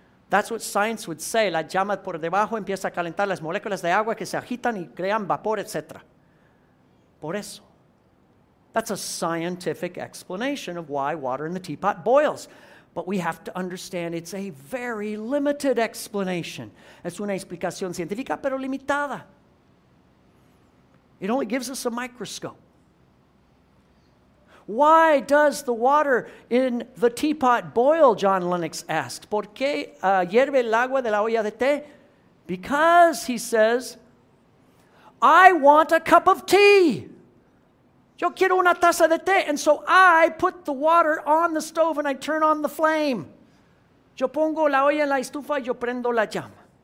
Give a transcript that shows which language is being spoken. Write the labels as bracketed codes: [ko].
[en] That's what science would say. [es] La llama por debajo empieza a calentar las moléculas de agua que se agitan y crean vapor, etc. Por eso. [en] That's a scientific explanation of why water in the teapot boils. But we have to understand it's a very limited explanation. [es] Es una explicación científica, pero limitada. [en] It only gives us a microscope. Why does the water in the teapot boil, John Lennox asks. [es] ¿Por qué hierve el agua de la olla de té? [en] Because, he says, I want a cup of tea. [es] Yo quiero una taza de té. [en] And so I put the water on the stove and I turn on the flame. [es] Yo pongo la olla en la estufa y yo prendo la llama.